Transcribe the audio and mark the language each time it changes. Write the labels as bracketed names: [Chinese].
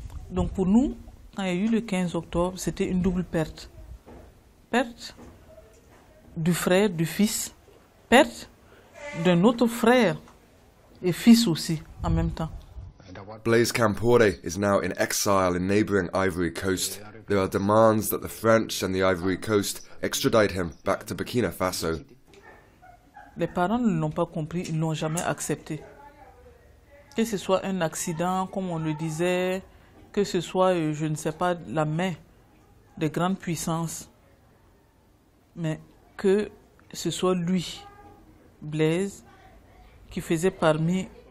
[French] Donc pour nous, quand il y a eu le 15 octobre, c'était une double perte. Perte du frère, du fils, perte d'un autre frère et fils aussi, en même temps. [English] Blaise Campore is now in exile in neighboring Ivory Coast. There are demands that the French and the Ivory Coast extradite him back to Burkina Faso. [French] Les parents ne l'ont pas compris, ils ne l'ont jamais accepté. Que ce soit un accident, comme on le disait, que ce soit, je ne sais pas, la main des grandes puissances, mais que ce soit lui, Blaise, qui faisait parmi...